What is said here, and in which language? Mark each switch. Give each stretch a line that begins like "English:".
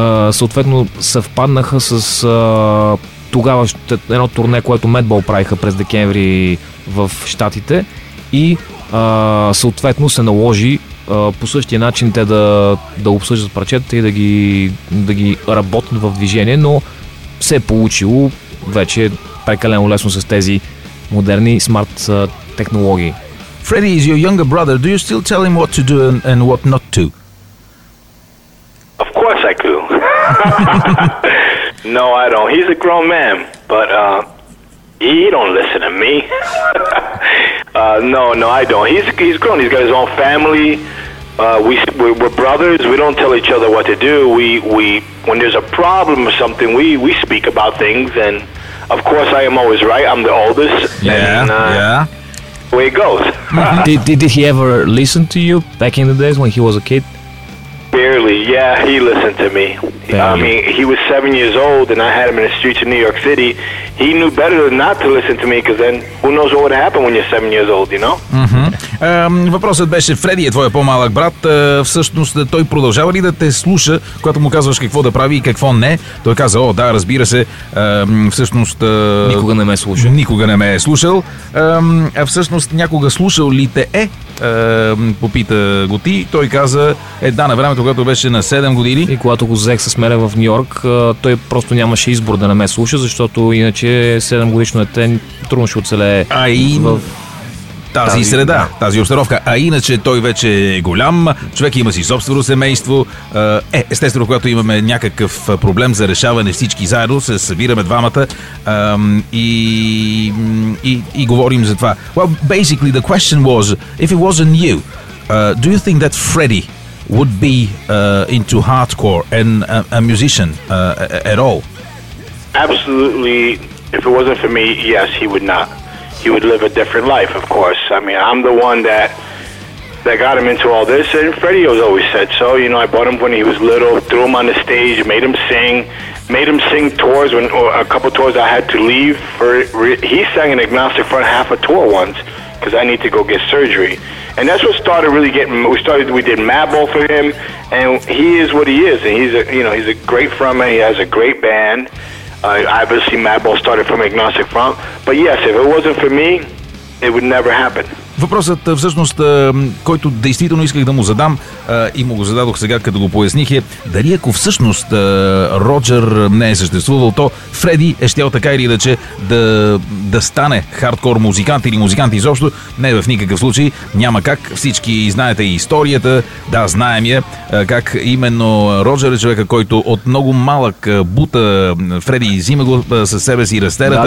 Bulgarian: Съответно съвпаднаха с тогава едно турне, което Madball правиха през декември в щатите и съответно се наложи по същия начин те да обсъждат парчетата и да ги работят в движение, но се е получило вече прекалено лесно с тези модерни смарт технологии.
English: Freddy is your younger brother. Do you still tell him what to do and what not to? Of course I do. No, I don't. He's a grown man, but he don't listen to me. No, I don't. He's grown. He's got his own family. We're brothers. We don't tell each other what to do. We when there's a problem or something, we speak about things. And of course, I am always right. I'm the oldest. Yeah, and, yeah. Way it goes. did he ever listen to you back in the days when he was a kid? Barely. Yeah, he listened to me. Barely. I mean, he was 7 years old, and I had him in the streets of New York City. He knew better than not to listen to me, because then who knows what would happen when you're 7 years old, you know? Mm-hmm.
Bulgarian: Въпросът беше, Фреди е твой по-малък брат, всъщност той продължава ли да те слуша, когато му казваш какво да прави и какво не? Той каза, о, да, разбира се, всъщност... Никога не ме е слушал. Никога не ме е слушал. Всъщност, някога слушал ли те е? Попита го ти. Той каза, да, на времето, когато беше на 7 години. И когато го взех с мене в Нью-Йорк, той просто нямаше избор да не ме слуша, защото иначе 7 годишно дете трудно ще оцелее в... Тази среда, тази обстановка. А иначе той вече е голям, човек има си собствено семейство. Естествено, когато имаме някакъв проблем за решаване всички заедно, се събираме двамата и говорим за това.
English: Well, basically the question was, if it wasn't you, do you think that Freddy would be into hardcore and a musician at all? Absolutely, if it wasn't for me, yes, he would not. He would live a different life, of course. I mean, I'm the one that got him into all this, and Freddie has always said so. You know, I bought him when he was little, threw him on the stage, made him sing tours when a couple tours I had to leave for. He sang an agnostic front half a tour once because I need to go get surgery, and that's what started really getting. We did Madball for him, and he is what he is, and he's a great frontman. He has a great band. Obviously, Madball started from Agnostic Front, but yes, if it wasn't for me, it would never happen.
Bulgarian: Въпросът всъщност, който действително исках да му задам и му го зададох сега, като го поясних, е дали ако всъщност Роджер не е съществувал, то Фреди е щял така или иначе да стане хардкор музикант или музикант изобщо. Не в никакъв случай, няма как. Всички знаете историята, да, знаем я, как именно Роджер е човека, който от много малък бута Фреди взима го със себе си растерата.